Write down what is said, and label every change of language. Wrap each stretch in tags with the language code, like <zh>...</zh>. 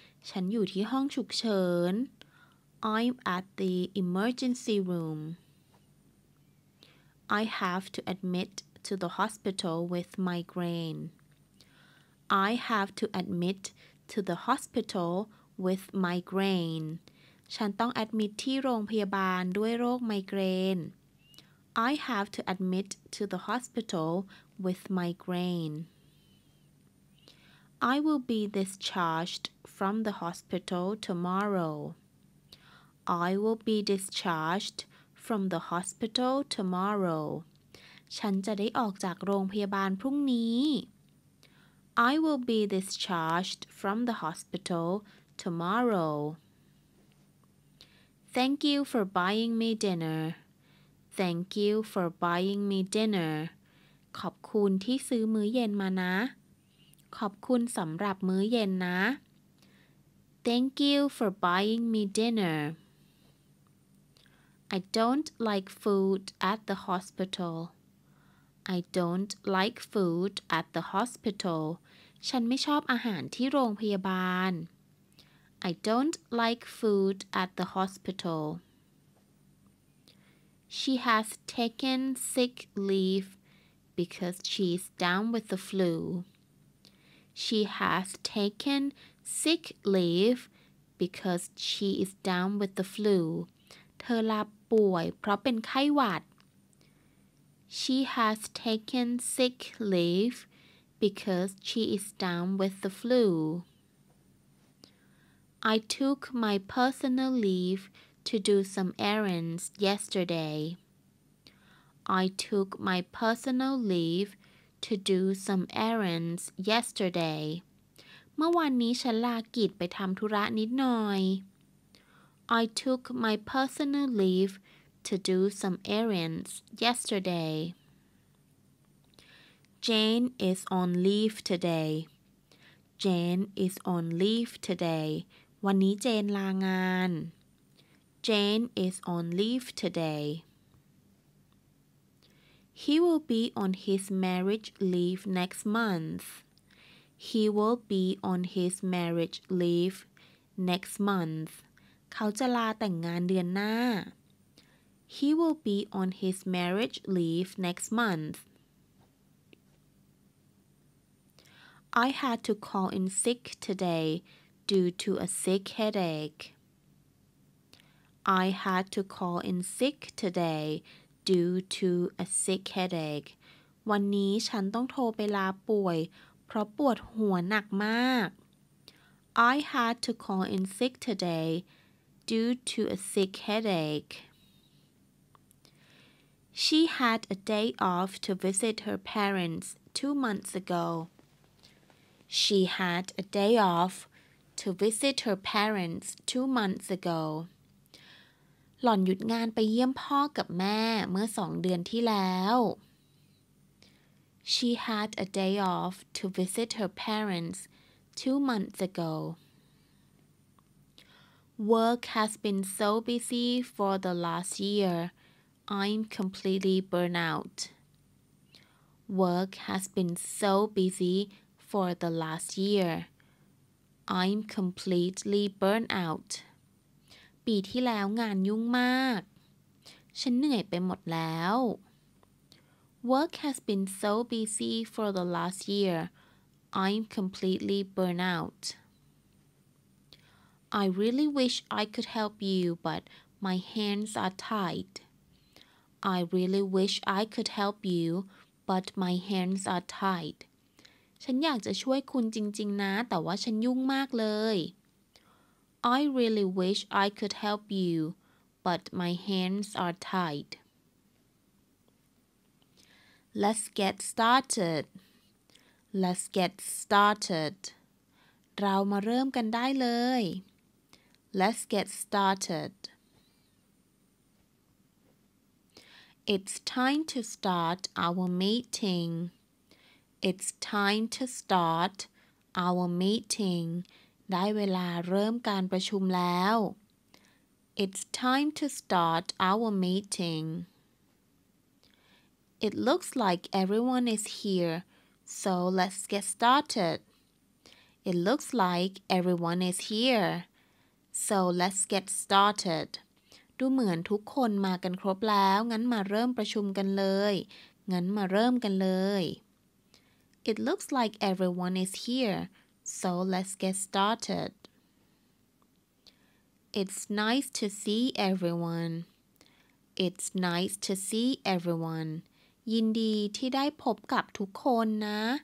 <th>ฉันอยู่ที่ห้องฉุกเฉิน</th> <en>I'm at the emergency room. I have to admit to the hospital with migraine. I have to admit to the hospital with migraine.</en> <th>ฉันต้องแอดมิทที่โรงพยาบาลด้วยโรคไมเกรน</th> <en>I have to admit to the hospital with migraine. I will be discharged from the hospital tomorrow. I will be discharged from the hospital tomorrow.</en> <th>ฉันจะได้ออกจากโรงพยาบาลพรุ่งนี้</th> <en>I will be discharged from the hospital tomorrow. Thank you for buying me dinner. Thank you for buying me dinner.</en> <th>ขอบคุณที่ซื้อมื้อเย็นมานะขอบคุณสำหรับมื้อเย็นนะ</th> <en>Thank you for buying me dinner. I don't like food at the hospital. I don't like food at the hospital.</en> <th>ฉันไม่ชอบอาหารที่โรงพยาบาล</th> <en>I don't like food at the hospital. She has taken sick leave because she's down with the flu. She has taken sick leave because she is down with the flu.</en> <th>เธอลาป่วยเพราะเป็นไข้หวัด</th> <en>She has taken sick leave because she is down with the flu. I took my personal leave to do some errands yesterday. I took my personal leave to do some errands yesterday.</en> <th>เมื่อวานนี้ฉันลากิจไปทำธุระนิดหน่อย</th> <en>I took my personal leave to do some errands yesterday. Jane is on leave today. Jane is on leave today.</en> <th>วันนี้เจนลางาน</th> <en>Jane is on leave today. He will be on his marriage leave next month. He will be on his marriage leave next month.</en> <th>เขาจะลาแต่งงานเดือนหน้า</th> <en>He will be on his marriage leave next month. I had to call in sick today. Due to a sick headache. I had to call in sick today due to a sick headache.</en> <th>วันนี้ฉันต้องโทรไปลาป่วยเพราะปวดหัวหนักมาก</th> <en>I had to call in sick today due to a sick headache. She had a day off to visit her parents 2 months ago. She had a day offTo visit her parents 2 months ago.</en> <th>หล่อนหยุดงานไปเยี่ยมพ่อกับแม่เมื่อ2 เดือนที่แล้ว</th> <en>She had a day off to visit her parents 2 months ago. Work has been so busy for the last year. I'm completely burnt out. Work has been so busy for the last year. I'm completely burnt out.</en> <th>ปีที่แล้วงานยุ่งมากฉันเหนื่อยไปหมดแล้ว</th> <en>Work has been so busy for the last year. I'm completely burnt out. I really wish I could help you, but my hands are tied. I really wish I could help you, but my hands are tied.</en> <th>ฉันอยากจะช่วยคุณจริงๆนะแต่ว่าฉันยุ่งมากเลย</th> <en>I really wish I could help you, but my hands are tied. Let's get started. Let's get started.</en> <th>เรามาเริ่มกันได้เลย.</th> <en>Let's get started. It's time to start our meeting. It's time to start our meeting.</en> <th>ได้เวลาเริ่มการประชุมแล้ว.</th> <en>It's time to start our meeting. It looks like everyone is here, so let's get started. It looks like everyone is here, so let's get started.</en> <th>ดูเหมือนทุกคนมากันครบแล้วงั้นมาเริ่มประชุมกันเลยงั้นมาเริ่มกันเลย</th> <en>It looks like everyone is here, so let's get started. It's nice to see everyone. It's nice to see everyone.</en> <th>ยินดีที่ได้พบกับทุกคนนะ</th>